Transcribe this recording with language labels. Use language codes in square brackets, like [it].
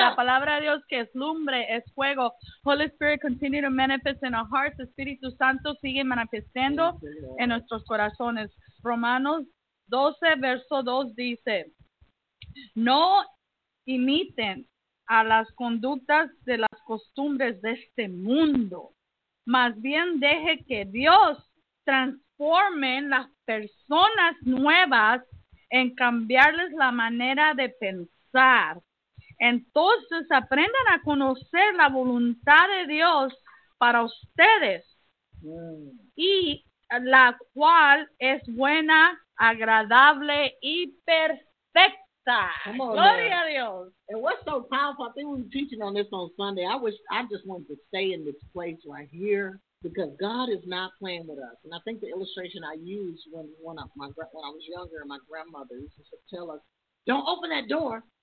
[es] La palabra de Dios que es lumbre, es fuego. [en] Holy Spirit continue to manifest in our hearts. [es] Espíritu Santo sigue manifestando en nuestros corazones. Romanos 12, verso 2 dice, no imiten a las conductas de las costumbres de este mundo. Más bien deje que Dios transforme las personas nuevas en cambiarles la manera de pensar. Entonces aprendan a conocer la voluntad de Dios para ustedes. Y la cual es buena, agradable y perfecta. [en] Come on, [es] Gloria a Dios. [en] And what's so powerful, I think we were teaching on this on Sunday. I wish I just wanted to stay in this place right here because God is not playing with us. And I think the illustration I used when I was younger and my grandmother used to tell us, don't open that door.